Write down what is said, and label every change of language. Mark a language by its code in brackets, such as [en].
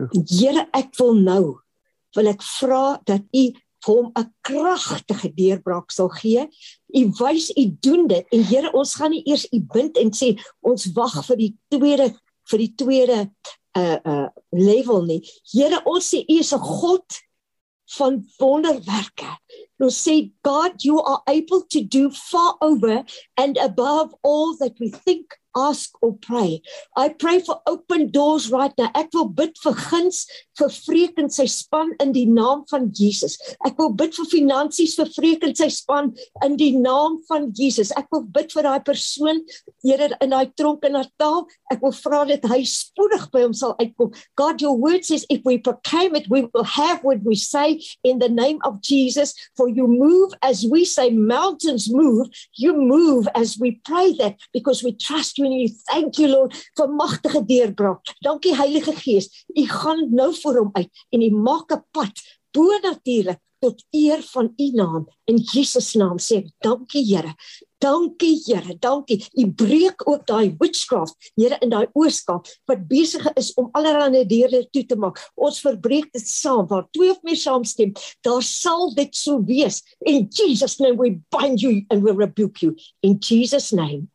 [af] Here, ek wil ek vra dat u hom 'n kragtige deurbraak sal gee. U wys u doen dit en Here, ons gaan nie eers u bind en sê ons wag vir die tweede level nie. Here, ons sê u is 'n God van wonderwerke. Ons sê [en] God, you are able to do far over and above all that we think, ask or pray. I pray for open doors right now. [af] Ek wil bid vir guns vir Freek en sy span in die naam van Jesus. Ek wil bid vir finansies vir Freek en sy span in die naam van Jesus. Ek wil bid vir daai persoon, Here, in daai tronk in Natal. Ek wil vra dat hy spoedig by hom sal uitkom. [en] God, your word says if we proclaim it, we will have what we say in the name of Jesus. For you move as we say mountains move, you move as we pray that because we trust you and you thank you Lord [af] vir magtige deurbraak. Dankie Heilige Gees, u gaan nou voor hom uit en u maak 'n pad bo natuurlik tot eer van u naam. In Jesus naam sê ek dankie Here. Dankie Here, dankie. U breek ook daai witchcraft, Here, in daai ooskaap wat besige is om allerlei deure toe te maak. Ons verbreek dit saam waar twee of meer saamstem, daar sal dit so wees. [en] In Jesus name we bind you and we rebuke you in Jesus name.